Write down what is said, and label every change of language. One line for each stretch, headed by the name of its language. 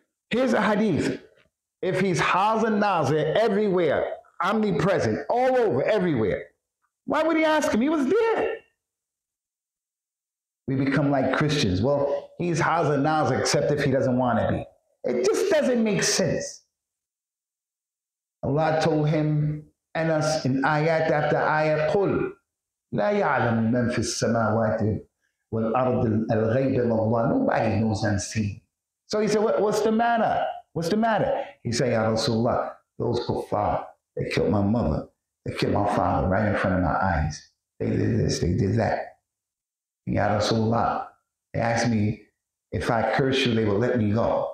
English: Here's a hadith. If he's Hazar Nazir everywhere, omnipresent, all over, everywhere, why would he ask him? He was there. We become like Christians. Well, he's Hazar Nazir, except if he doesn't want to be. It just doesn't make sense. Allah told him, Anas, in ayat after ayat,
Arabic: قُلْ لَا يَعْلَمُ مَنْ فِي السَّمَاوَاتِ وَالْأَرْضِ الْغَيْبِ لَاللَّهِ.
English: Nobody knows unseen. So he said, what's the matter? What's the matter? He said, Ya Rasulullah, those kuffar, they killed my mother. They killed my father right in front of my eyes. They did this, they did that. Ya Rasulullah, they asked me, if I curse you, they will let me go.